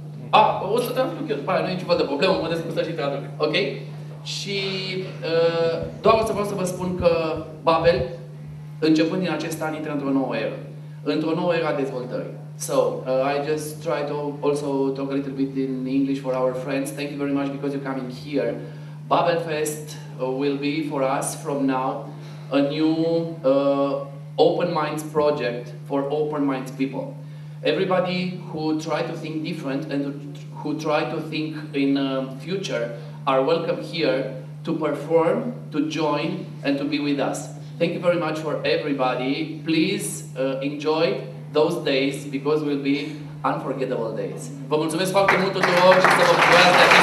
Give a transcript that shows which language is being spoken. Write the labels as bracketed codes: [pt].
[ro] A, o să traduc eu, după aia nu e niciodată problemă, mă descurc și traduc. Ok? Și doar o să vreau să vă spun că Babel, începând din acest an, intră într-o nouă eră. Într-o nouă era dezvoltării. [en] So, I just try to also talk a little bit in English for our friends. Thank you very much because you're coming here. Babel Fest will be for us from now a new open minds project for open minds people. Everybody who try to think different and who try to think in future are welcome here to perform, to join and to be with us. Thank you very much for everybody. Please enjoy those days because will be unforgettable days. [ro] Vă mulțumesc foarte mult tuturor și să vă bucurați de aici.